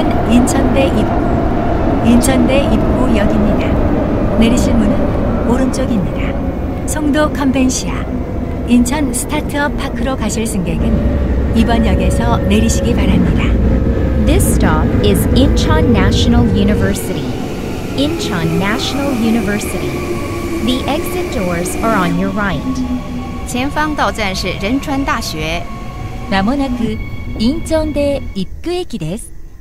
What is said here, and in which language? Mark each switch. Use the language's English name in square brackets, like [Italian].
[Korean] 인천대 입구역입니다. 내리실 문은 오른쪽입니다. 송도 컨벤시아 인천 스타트업 파크로 가실 승객은 이번 역에서 내리시기 바랍니다. [English] This stop is Incheon National University. Incheon National University. The exit doors are on your right. [Chinese] 前方到站是仁川大学. [Japanese] 마모나크 [Korean] 인천대 입구역입니다.